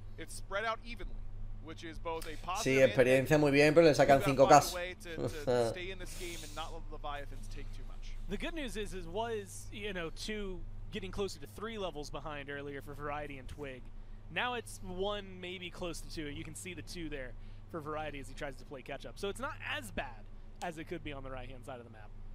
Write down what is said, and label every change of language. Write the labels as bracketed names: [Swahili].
[English] It's spread out evenly, which is both a positive. [Spanish] Sí, experiencia muy bien, pero le sacan 5k. [English] Stay in this game and not let Leviathans take too much. The good news is was, you know, 2 getting closer to 3 levels behind earlier for Variety and Twig. Now it's 1 maybe close to 2. You can see the 2 there for Variety as he tries to play catch up. So it's not as bad as it could be on the right-hand side of the map.